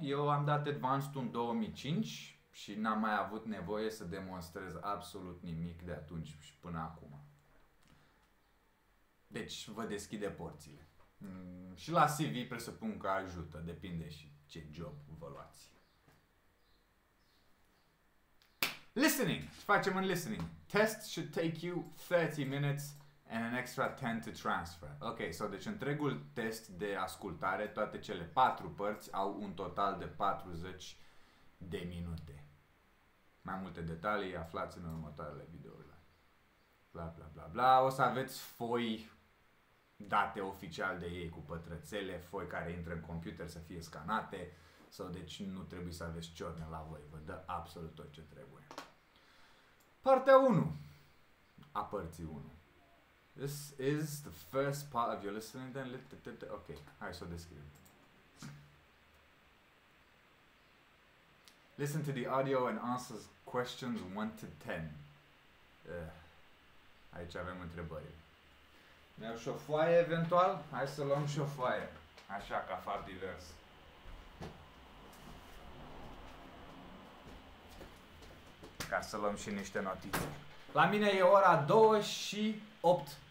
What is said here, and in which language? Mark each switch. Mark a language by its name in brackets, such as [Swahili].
[Romanian] Eu am dat Advanced în 2005 și n-am mai avut nevoie să demonstrez absolut nimic de atunci și până acum. Deci vă deschide porțile. Și la CV presupun că ajută, depinde și ce job vă luați. Listening. Ce facem în listening? [English] Test should take you 30 minutes and an extra 10 to transfer. [Romanian] Ok, so deci întregul test de ascultare, toate cele patru părți au un total de 40 de minute. Mai multe detalii aflați în următoarele videourile. Bla, bla, bla, bla. O să aveți foi date oficial de ei cu pătrățele, foi care intră în computer să fie scanate. Sau deci nu trebuie să aveți ciorne la voi. Vă dă absolut tot ce trebuie. Partea 1. A părții 1. [English] This is the first part of your listening. Then ok, [Romanian] hai să o descriu. [English] Listen to the audio and answer questions 1 to 10. [Romanian] Aici avem întrebări. Ne-au și o foaie eventual? Hai să luăm și o foaie. Așa, ca fapt divers. Ca să luăm și niște notițe. La mine e ora 2:08.